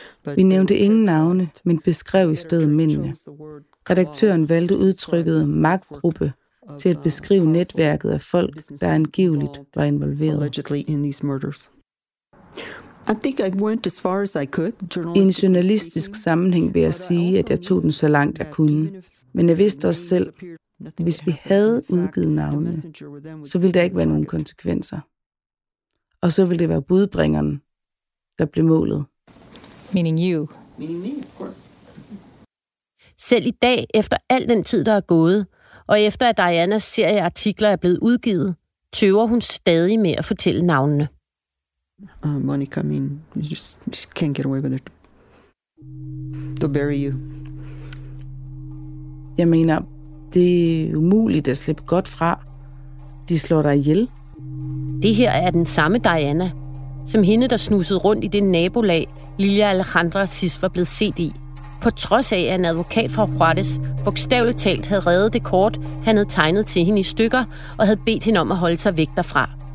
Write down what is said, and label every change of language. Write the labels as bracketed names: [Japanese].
[Danish] but vi nævnte ingen navne, men beskrev i stedet mændene. Redaktøren valgte udtrykket magtgruppe til at beskrive netværket af folk, der angiveligt var involveret. [English] In these murders. I think I went as far as I could. [Danish] I en journalistisk sammenhæng vil jeg sige, at jeg tog den så langt jeg kunne. Men jeg vidste også selv, hvis vi havde udgivet navnene, så ville der ikke være nogen konsekvenser. Og så ville det være budbringeren, der blev målet. [English] Meaning you. Meaning me, of course. [Danish] Selv i dag, efter al den tid, der er gået, og efter at Dianas serie artikler er blevet udgivet, tøver hun stadig med at fortælle navnene. [English] Monica, I mean, you just can't get away with it. They'll bury you. [Danish] Jeg mener, det er umuligt at slippe godt fra. De slår dig ihjel. Det her er den samme Diana, som hende, der snusede rundt i det nabolag, Lilia Alejandra sidst var blevet set i. På trods af, at en advokat fra Juarez bogstaveligt talt havde reddet det kort, han havde tegnet til hende i stykker og havde bedt hende om at holde sig væk derfra.